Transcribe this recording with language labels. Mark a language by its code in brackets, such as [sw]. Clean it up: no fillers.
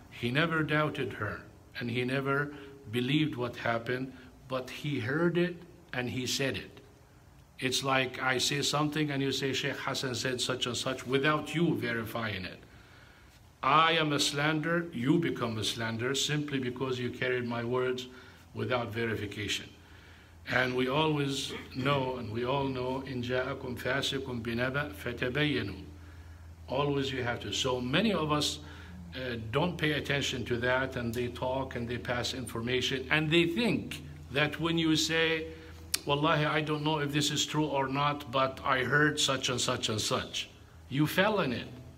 [en] He never doubted her, and he never believed what happened, but he heard it, and he said it. It's like I say something, and you say, Sheikh Hassan said such and such, without you verifying it. I am a slander, you become a slander, simply because you carried my words without verification. And we always know, and we all know, [ar] إن جاءكم فاسقٌ بنبأ فتبينوا. [en] Always you have to. So many of us don't pay attention to that, and they talk and they pass information, and they think that when you say, Wallahi, I don't know if this is true or not, but I heard such and such and such. You fell in it.